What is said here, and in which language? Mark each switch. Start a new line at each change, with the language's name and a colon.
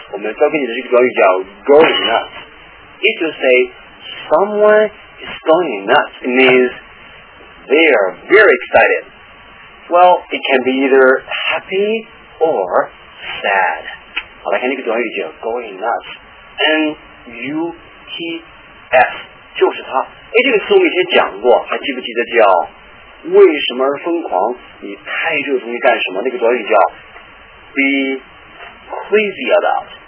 Chinese: 我们教给你的这个短语叫
English: going nuts. If you say someone is going nuts, it means they are very excited. Well, it can be either happy or sad.
Chinese: 好，来看这个短语叫
English: going nuts.
Chinese: N-U-T-S 就是它。哎，这个词我们以前讲过，还记不记得叫为什么而疯狂，你太热衷于干什么，那个短语叫
English: be crazy about。